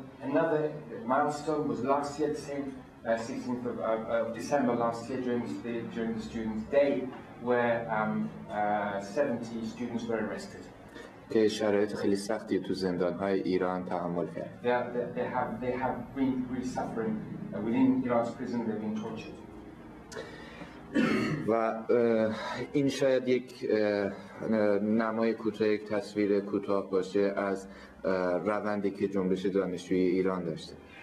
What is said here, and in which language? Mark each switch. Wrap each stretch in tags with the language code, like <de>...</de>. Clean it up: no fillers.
<en>Another milestone was last year, the same 16th of December last year, during the Students' Day, where 70 students were arrested.</en> <fa>که شرایط خیلی سختی تو زندان‌های ایران تحمل کرد.</fa> <en>They have been really suffering within Iran's prison. They've been tortured.</en> <fa>و این شاید یک نمای کوتاه، یک تصویر کوتاه باشه از روندی که جنبش دانشجویی ایران داشته.</fa>